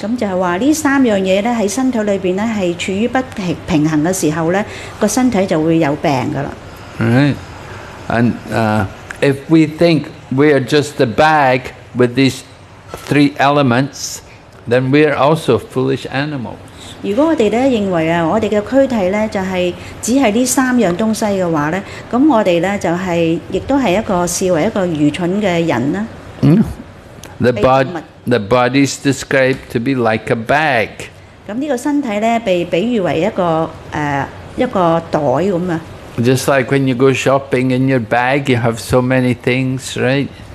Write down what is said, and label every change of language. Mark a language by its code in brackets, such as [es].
[yue] 咁就係話呢三樣嘢咧，喺身體裏邊咧係處於不平衡嘅時候咧，個身體就會有病噶啦。Right. [en] And if we think we are just a bag with these three elements, then we are also foolish animals. [yue] 如果我哋咧認為啊，我哋嘅軀體咧就係只係呢三樣東西嘅話咧，咁我哋咧就係亦都係一個視為一個愚蠢嘅人啦。 [en] The body is described to be like a bag. [yue] 咁呢個身體咧被比喻為一個袋咁啊。 [en] Just like when you go shopping in your bag, you have so many things, right?